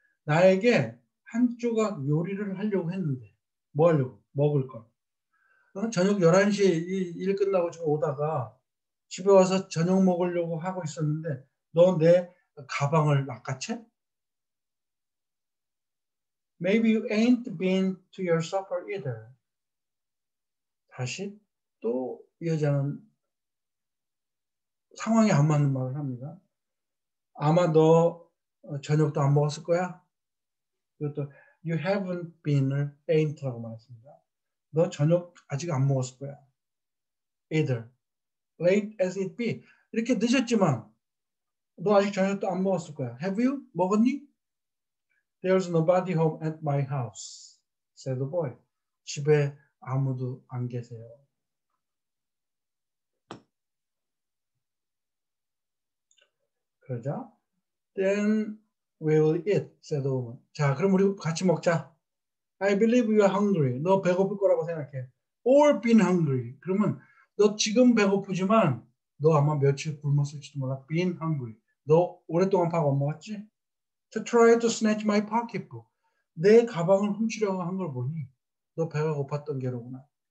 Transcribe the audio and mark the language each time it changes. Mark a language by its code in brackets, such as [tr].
[ko] 나에게 한 조각 요리를 하려고 했는데, 뭐 하려고? 먹을 걸. 저녁 11시에 일 끝나고 지금 오다가 집에 와서 저녁 먹으려고 하고 있었는데, 너내 가방을 낚아채? [en] Maybe you ain't been to your supper either. [ko] 다시 또이 여자는 상황이 안 맞는 말을 합니다. 아마 너 저녁도 안 먹었을 거야? 이것도 you haven't been을 ain't라고 말했습니다. 너 저녁 아직 안 먹었을 거야. [en] Either. Late as it be. [ko] 이렇게 늦었지만 너 아직 저녁도 안 먹었을 거야. [en] Have you? [ko] 먹었니? [en] There's nobody home at my house, said the boy. [ko] 집에 아무도 안 계세요. 그러자, [en] then we will eat, said the woman. [ko] 자, 그럼 우리 같이 먹자. [en] I believe you are hungry. [ko] 너 배고플 거라고 생각해. [en] Or been hungry. [ko] 그러면 너 지금 배고프지만 너 아마 며칠 굶었을지도 몰라. [en] Been hungry. [ko] 너 오랫동안 밥안 먹었지? [en] To try to snatch my pocketbook. [ko] 내 가방을 훔치려고 한걸 보니 너 배가 고팠던 게로구나.